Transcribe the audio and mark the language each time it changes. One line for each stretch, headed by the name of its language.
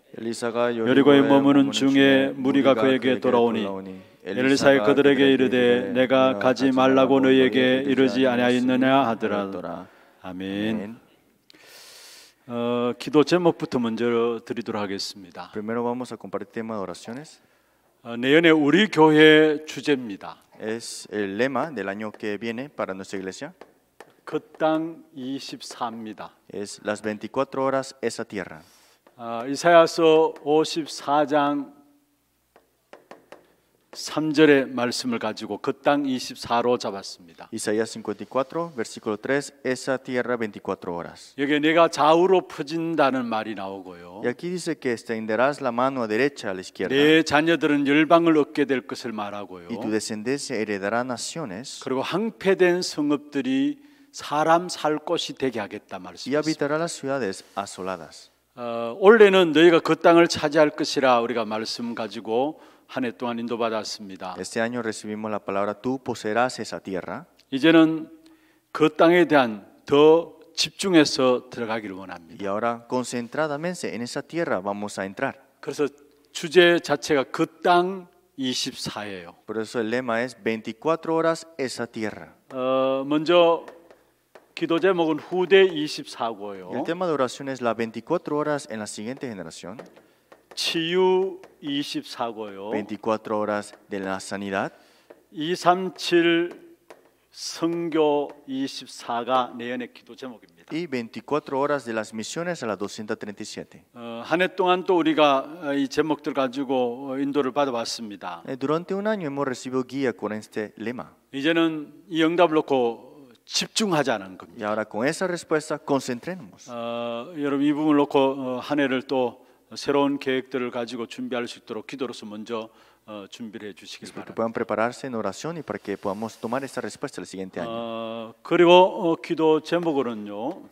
Korean: 엘리사가 여리고에 머무는 중에 무리가 그에게 돌아오니 엘리사가 그들에게 이르되 내가 가지 말라고 너희에게 이르지 아니하였느냐 하더라. 아멘. 기도 제목부터 먼저 드리도록 하겠습니다.
Spanish: Primero vamos a compartir tema de oraciones.
Korean: 내년에 우리 교회 주제입니다.
Spanish: Es el lema del año que viene para nuestra iglesia.
Korean: 그 땅 24입니다.
Spanish: Es las 24 horas esa tierra.
Korean: 이사야서 54장 3절의 말씀을 가지고 그 땅 24로 잡았습니다.
Spanish: Isaías 54 versículo 3 esa tierra 24 horas.
Korean: 여기 내가 좌우로 퍼진다는 말이 나오고요.
Spanish: Y aquí dice que extenderás la mano derecha a la izquierda.
Korean: 내 자녀들은 열방을 얻게 될 것을 말하고요.
Spanish: Y tu descendencia heredará naciones.
Korean: 그리고 황폐된 성읍들이 사람 살 곳이 되게 하겠다 말씀했습니다.
Spanish: Y habitará las ciudades asoladas.
Korean: 원래는 너희가 그 땅을 차지할 것이라 우리가 말씀 가지고 한 해 동안 인도받았습니다.
Spanish: Este año recibimos la palabra tú poseerás esa tierra.
Korean: 이제는 그 땅에 대한 더 집중해서 들어가기를 원합니다.
Spanish: Y ahora concentradamente en esa tierra vamos a entrar.
Korean: 그래서 주제 자체가 그 땅 24예요.
Spanish: Por eso el lema es 24 horas esa tierra.
Korean: 먼저 기도 제목은 후대 24고요.
Spanish: El tema de oración es la 24 horas en la siguiente generación.
Korean: 치유 24고요.
Spanish: 24 horas de la sanidad.
Korean: 237 선교 24가 내년의 기도 제목입니다.
Spanish: Y 24 horas de las misiones a la 237.
Korean: 한 해 동안 또 우리가 이 제목들 가지고 인도를 받아왔습니다.
Spanish: Durante un año hemos recibido guía con este lema.
Korean: 이제는 이 응답을 놓고 집중하자는 겁니다.
Spanish: Y ahora con esa respuesta concentrémonos.
Korean: 여러분 이 부분을 놓고 한 해를 또 새로운 계획들을 가지고 준비할 수 있도록 기도로서 먼저 준비를 해 주시기 바랍니다.
Spanish: Que puedan prepararse en oración y para que podamos tomar esa respuesta el siguiente año.
Korean: 그리고 기도 제목으로는요.